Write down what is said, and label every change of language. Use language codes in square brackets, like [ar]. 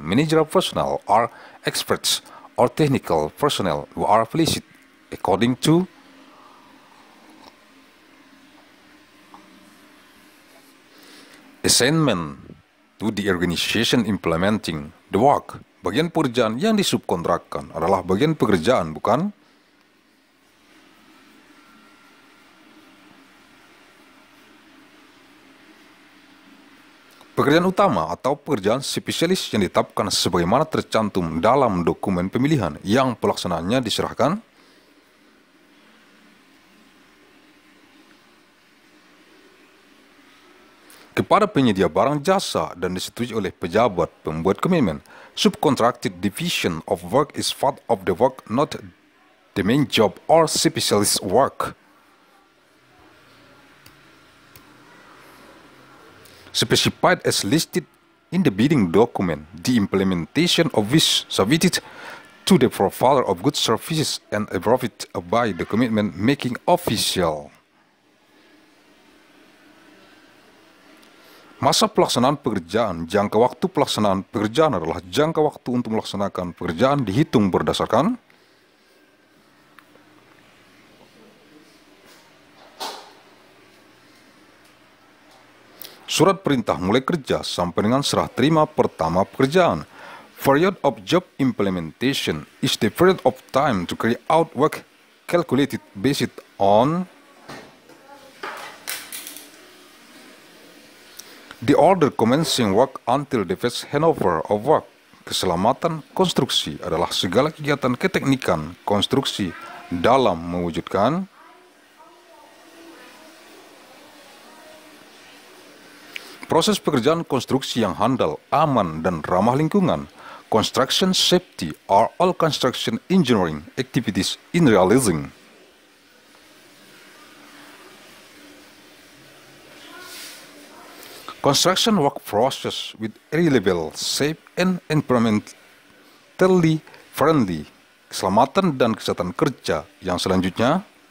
[en] Managerial personnel are experts or technical personnel who are placed according to assignment to the organization implementing the work. [id] Bagian pekerjaan yang disubkontrakkan adalah bagian pekerjaan, bukan pekerjaan utama atau pekerjaan spesialis yang ditetapkan sebagaimana tercantum dalam dokumen pemilihan yang pelaksanaannya diserahkan kepada penyedia barang jasa dan disetujui oleh pejabat pembuat komitmen. [en] Subcontracted division of work is part of the work, not the main job or specialist work. Specified as listed in the bidding document, the implementation of which submitted to the provider of goods services and approved by the commitment making official. [id] Masa pelaksanaan pekerjaan, jangka waktu pelaksanaan pekerjaan adalah jangka waktu untuk melaksanakan pekerjaan dihitung berdasarkan surat perintah mulai kerja sampai dengan serah terima pertama pekerjaan. [en] Period of job implementation is the period of time to carry out work calculated based on the order commencing work until the first handover of work. [id] Keselamatan konstruksi adalah segala kegiatan keteknikan konstruksi dalam mewujudkan proses pekerjaan konstruksi yang handal, aman, dan ramah lingkungan. [en] Construction safety are all construction engineering activities in realizing. Construction work process with reliable, safe, and environmentally friendly. [id] Keselamatan dan kesehatan kerja yang selanjutnya.